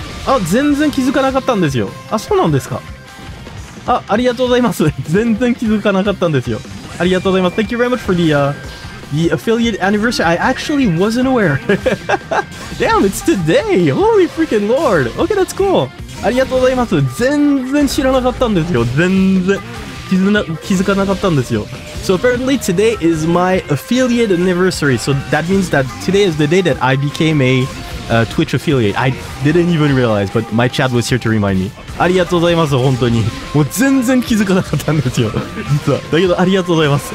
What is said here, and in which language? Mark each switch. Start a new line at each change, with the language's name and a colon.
Japanese: Oh, 全然気づかなかったんですよ.Ah, そうなんですか?Ah, ありがとうございます. 全然気づかなかったんですよ.ありがとうございます.
English: Thank you very much for the affiliate anniversary. I actually wasn't aware. Damn, it's today. Holy freaking lord. Okay, that's cool.
Japanese: ありがとうございます.全然知らなかったんですよ.全然気づかなかったんですよ.
English: So apparently today is my affiliate anniversary. So that means that today is the day that I became a Twitch affiliate. I didn't even realize, but my chat was here to remind me.
Japanese: ありがとうございます.本当に.もう全然気づかなかったんですよ.実は. だけど ありがとうございます.